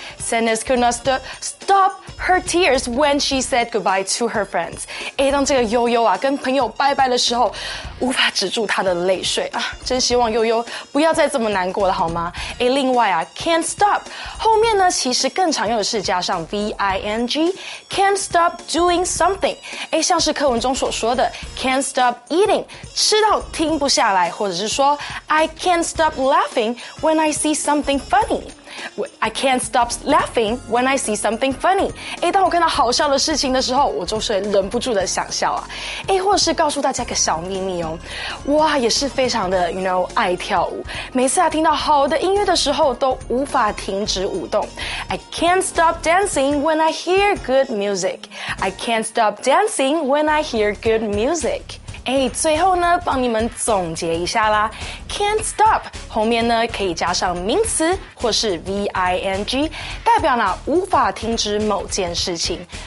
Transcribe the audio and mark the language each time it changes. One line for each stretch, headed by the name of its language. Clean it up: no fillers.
English: Sanas could not stop her tears when she said goodbye to her friends.
Chinese: 诶，当这个悠悠啊跟朋友拜拜的时候，无法止住她的泪水啊！真希望悠悠不要再这么难过了，好吗？诶，另外啊 ，can't stop 后面呢，其实更常用的是加上 v-i-n-g，
English: can't stop doing something。
Chinese: 诶，像是课文中所说的 ，
English: can't stop eating，
Chinese: 吃到停不下来，或者是说 ，
English: I can't stop laughing when I see something funny。 I can't stop laughing when I see something funny.
Chinese: 诶，当我看到好笑的事情的时候，我就是忍不住的想笑啊。诶，或者是告诉大家个小秘密哦，我啊也是非常的 ，
English: you know，
Chinese: 爱跳舞。每次啊听到好的音乐的时候，都无法停止舞动。
English: I can't stop dancing when I hear good music. I can't stop dancing when I hear good music.
Chinese: 哎，最后呢，帮你们总结一下啦。Can't stop 后面呢可以加上名词或是 V-I-N-G， 代表呢无法停止某件事情。